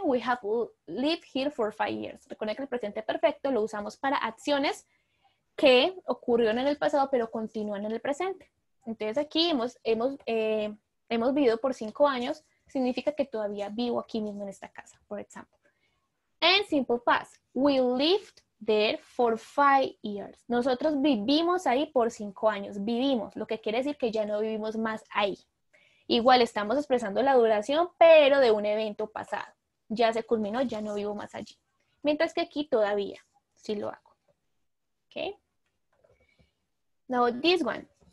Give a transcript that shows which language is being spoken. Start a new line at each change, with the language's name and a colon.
English: We have lived here for 5 years.
Spanish: Recuerden que el presente perfecto lo usamos para acciones que ocurrieron en el pasado, pero continúan en el presente. Entonces aquí hemos vivido por 5 años, significa que todavía vivo aquí mismo en esta casa, por ejemplo.
English: En simple past, we lived there for 5 years.
Spanish: Nosotros vivimos ahí por 5 años, vivimos, lo que quiere decir que ya no vivimos más ahí. Igual estamos expresando la duración, pero de un evento pasado. Ya se culminó, ya no vivo más allí. Mientras que aquí todavía sí lo hago. Okay.
English: Now this one.